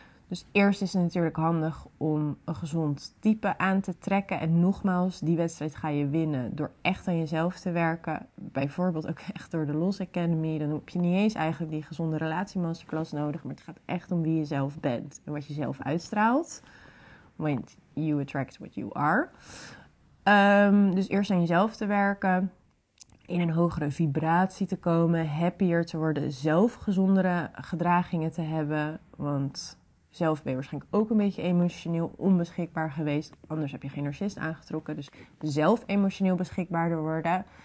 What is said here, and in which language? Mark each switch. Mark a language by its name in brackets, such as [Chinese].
[Dutch] Dus eerst is het natuurlijk handig om een gezond type aan te trekken. En nogmaals, die wedstrijd ga je winnen door echt aan jezelf te werken. Bijvoorbeeld ook echt door de Los Academy. Dan heb je niet eens eigenlijk die gezonde relatie masterclass nodig. Maar het gaat echt om wie je zelf bent en wat je zelf uitstraalt. Want [English] you attract what you are. [Dutch] Dus eerst aan jezelf te werken. In een hogere vibratie te komen. Happier te worden. Zelf gezondere gedragingen te hebben. Want zelf ben je waarschijnlijk ook een beetje emotioneel onbeschikbaar geweest. Anders heb je geen narcist aangetrokken. Dus zelf emotioneel beschikbaarder worden.